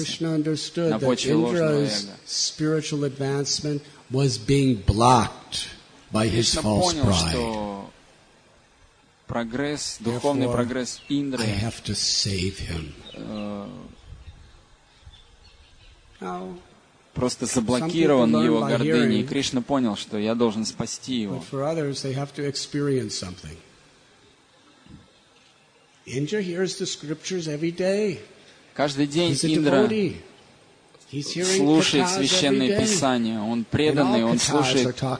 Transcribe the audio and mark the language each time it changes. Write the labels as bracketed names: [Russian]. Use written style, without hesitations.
[English] So Krishna understood that Indra's spiritual advancement was being blocked by his false pride. [Russian] Прогресс, духовный прогресс Индры. [English] I have to save him. [Russian] Просто заблокирован его гордыней. Кришна понял, что я должен спасти его. [English] But for others, they have to experience something. Indra hears the scriptures every day. [Russian] Каждый день Индра слушает священные писания. Он преданный, он слушает.